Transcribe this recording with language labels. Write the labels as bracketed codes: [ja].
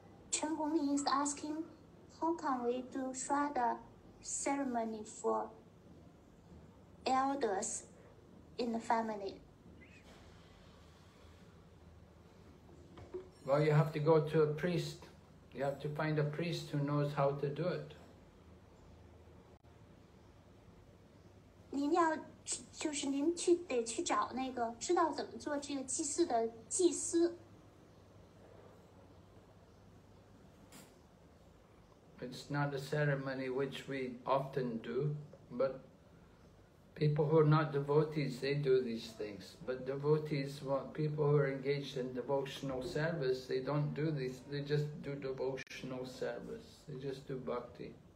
[en] 陈红林 is asking, how can we do刷的 ceremony for elders in the family? Well, you have to go to a priest. You have to find a priest who knows how to do it. [zh] 您要就是您去得去找那个知道怎么做这个祭祀的祭司。 [en] It's not a ceremony which we often do, but people who are not devotees, they do these things. But devotees, well, people who are engaged in devotional service, they don't do this. They just do devotional service. They just do bhakti.